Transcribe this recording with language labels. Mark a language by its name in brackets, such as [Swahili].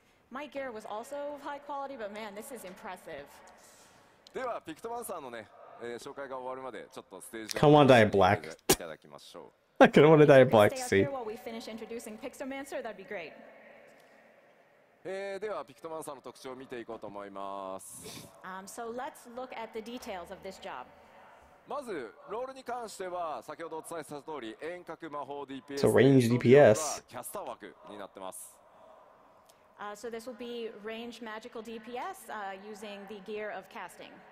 [English] My gear was also of high quality, but man, this is impressive. [Japanese] ではピクトマンさんのね、紹介が終わるまでちょっとステージを見ていただきましょう。 [English] I kind of want to dye black, see. While we finish introducing Pictomancer, that'd be great. [Japanese] ではピクトマンさんの特徴を見ていこうと思います。 [English] So let's look at the details of this job. [Japanese] まずロールに関しては先ほどお伝えした通り遠隔魔法 DPS、 [English] so、range DPS [Japanese] キャスター枠になってます。 [English] So this will be ranged magical DPS using the gear of casting.